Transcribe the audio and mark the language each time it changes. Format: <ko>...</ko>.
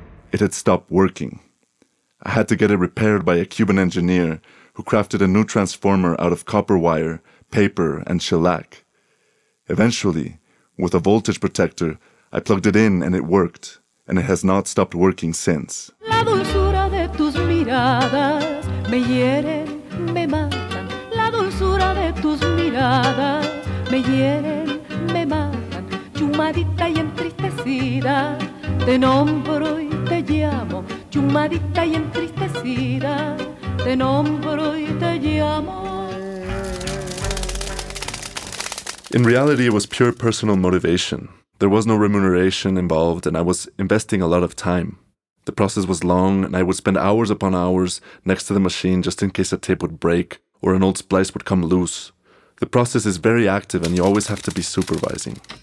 <en>It had stopped working. I had to get it repaired by a Cuban engineer who crafted a new transformer out of copper wire, paper, and shellac. Eventually, with a voltage protector, I plugged it in and it worked, and it has not stopped working since.</en> <es>La dulzura de tus miradas me hieren. Me matan, la dulzura de tus miradas, me hieren, me matan, chumadita y entristecida, te nombro y te llamo, chumadita y entristecida, te nombro y te llamo.</es> <en>In reality, it was pure personal motivation. There was no remuneration involved, and I was investing a lot of time. The process was long, and I would spend hours upon hours next to the machine just in case a tape would break or an old splice would come loose. The process is very active, and you always have to be supervising.</en>